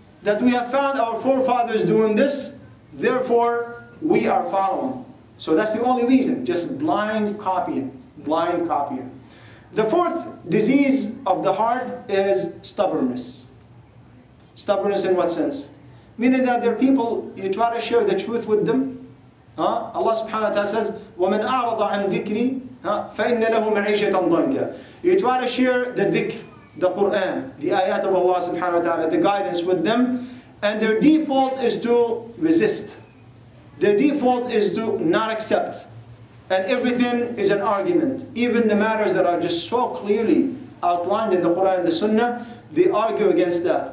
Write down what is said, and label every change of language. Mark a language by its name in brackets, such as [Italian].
[English] That we have found our forefathers doing this, therefore we are following. So that's the only reason, just blind copying, blind copying. The fourth disease of the heart is stubbornness. Stubbornness in what sense? Meaning that there are people, you try to share the truth with them, huh? Allah subhanahu wa ta'ala says, [Arabic] وَمَنْ أَعْرَضَ عَنْ ذِكْرِي فَإِنَّ لَهُ مَعِيشَةً ضَنْكًا. [English] You try to share the dhikr, the Qur'an, the ayat of Allah subhanahu wa ta'ala, the guidance with them, and their default is to resist. Their default is to not accept. And everything is an argument. Even the matters that are just so clearly outlined in the Qur'an and the Sunnah, they argue against that.